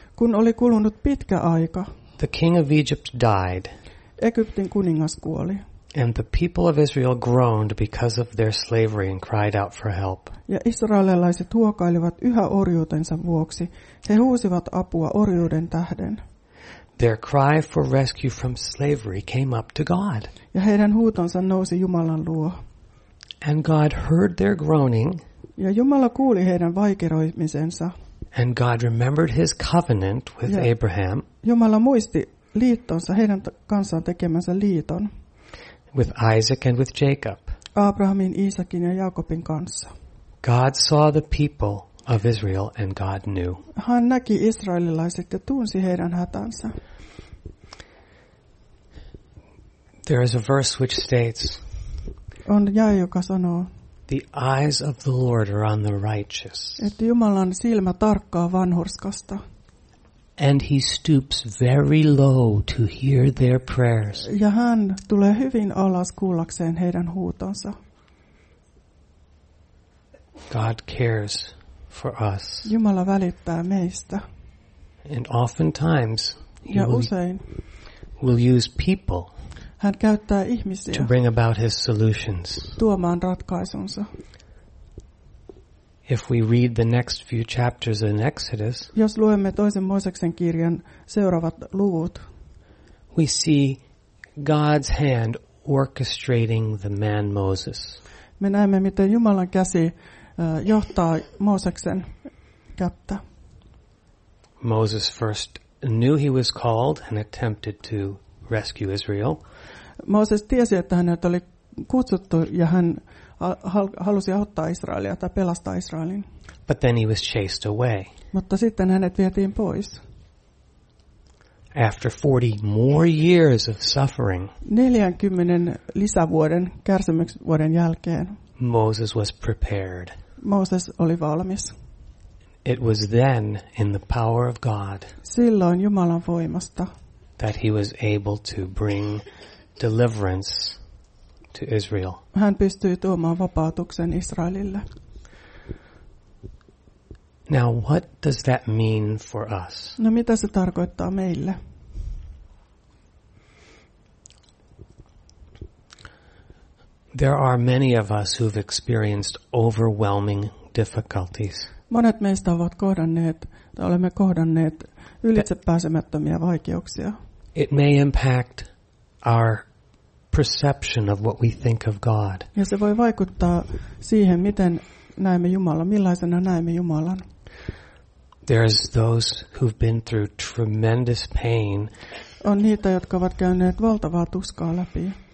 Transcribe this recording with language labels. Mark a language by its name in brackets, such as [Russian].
[Finnish] kun oli kulunut pitkä aika, [English] the king of Egypt died. [Finnish] Egyptin kuningas kuoli. [English] And the people of Israel groaned because of their slavery and cried out for help. [Finnish] Ja israelilaiset huokailivat yhä orjuutensa vuoksi. He huusivat apua orjuuden tähden. [English] Their cry for rescue from slavery came up to God. [Finnish] Ja heidän huutonsa nousi Jumalan luo. [English] And God heard their groaning. [Finnish] Ja Jumala kuuli heidän vaikeroimisensa. [English] And God remembered his covenant with Abraham. [Finnish] Jumala muisti liittonsa heidän kanssaan tekemänsä liiton. [English] With Isaac and with Jacob. [Finnish] Abrahamin, Iisakin ja Jaakobin kanssa. [English] God saw the people of Israel and God knew. [Finnish] Hän näki israelilaiset ja tunsi heidän hätänsä. [English] There is a verse which states. [Finnish] On jae, joka sanoo. [English] The eyes of the Lord are on the righteous. [Finnish] Että Jumalan silmä tarkkaa vanhurskasta. [English] And he stoops very low to hear their prayers. [Finnish] Ja hän tulee hyvin alas kuullakseen heidän huutonsa. [English] God cares for us. [Finnish] Jumala välittää meistä. [English] And oftentimes [Finnish] ja usein [English] will use people. [Finnish] Hän käyttää ihmisiä. [English] To bring about his solutions. [Finnish] Tuomaan ratkaisunsa. [English] If we read the next few chapters in Exodus. [Finnish] Jos luemme toisen Mooseksen kirjan seuraavat luvut. [English] We see God's hand orchestrating the man Moses. [Finnish] Me näemme miten Jumalan käsi johtaa Mooseksen kättä. [English] Moses first knew he was called and attempted to rescue Israel. [Finnish] Mooses tiesi, että hänet oli kutsuttu ja hän halusi auttaa Israelia tai pelastaa Israelin. [English] But then he was chased away. [Finnish] Mutta sitten hänet vietiin pois. [English] After 40 more years of suffering. [Finnish] 40 lisävuoden kärsimyksen jälkeen. [English] Moses was prepared. [Finnish] Moses oli valmis. [English] It was then in the power of God. [Finnish] Silloin Jumalan voimasta. [English] That he was able to bring deliverance to Israel. [Finnish] Hän pystyi tuomaan vapautuksen Israelille. [English] Now, what does that mean for us? [Finnish] No, mitä se tarkoittaa meille? [English] There are many of us who've experienced overwhelming difficulties. [Finnish] Monet meistä ovat kohdanneet, tai olemme kohdanneet ylitsepääsemättömiä vaikeuksia. [English] It may impact our perception of what we think of God. [Finnish] Ja se voi vaikuttaa siihen, miten näemme Jumalan, millaisena näemme Jumalan. [English] There's those who've been through tremendous pain. [Finnish] On niitä, jotka ovat käyneet valtavaa tuskaa läpi.